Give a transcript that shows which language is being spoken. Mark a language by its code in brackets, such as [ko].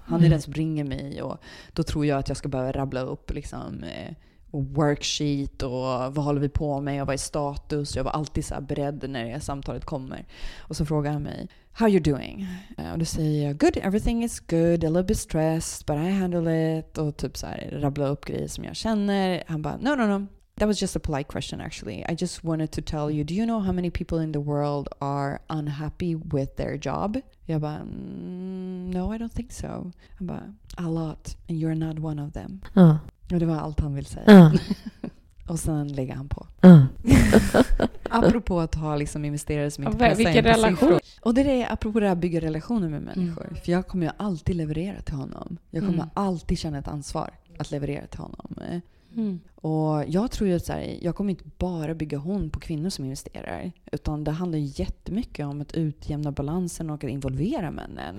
[sv] Han är den som ringer mig och då tror jag att jag ska behöva rabbla upp liksom, worksheet och vad håller vi på med och vad är status. Jag var alltid så här beredd när det samtalet kommer. Och så frågar han mig, how you doing? [en] Och då säger jag, good, everything is good, a little bit stressed, but I handle it. [sv] Och typ så här, rabbla upp grejer som jag känner. Han bara, no. [en] That was just a polite question actually. I just wanted to tell you, do you know how many people in the world are unhappy with their job? Jag bara, no, I don't think so. Han bara, a lot, and you're not one of them. [sv] Och det var allt han ville säga. Och sen lägger han på. Apropå att ha liksom investerare som inte pressar vilken relation. Och det är apropå det här, bygga relationer med människor. Mm. För jag kommer ju alltid leverera till honom. Jag kommer alltid känna ett ansvar att leverera till honom. Mm. Och jag tror ju att så här, jag kommer inte bara bygga hon på kvinnor som investerar, utan det handlar ju jättemycket om att utjämna balansen och att involvera männen.